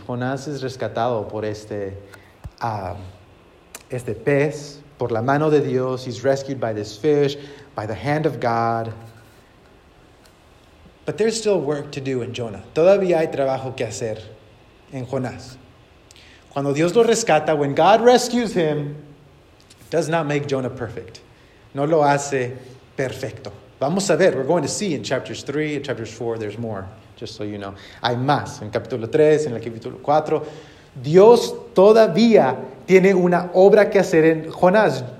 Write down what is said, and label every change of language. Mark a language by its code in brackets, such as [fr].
[es] Jonás es rescatado por este pez, por la mano de Dios. [en] He's rescued by this fish, by the hand of God. But there's still work to do in Jonah. [es] Todavía hay trabajo que hacer en Jonás. Cuando Dios lo rescata, [en] when God rescues him, does not make Jonah perfect. [es] No lo hace perfecto. Vamos a ver. [en] We're going to see in chapters 3 and chapters 4. There's more, just so you know. [es] Hay más. En capítulo 3, en el capítulo 4. Dios todavía tiene una obra que hacer en Jonás.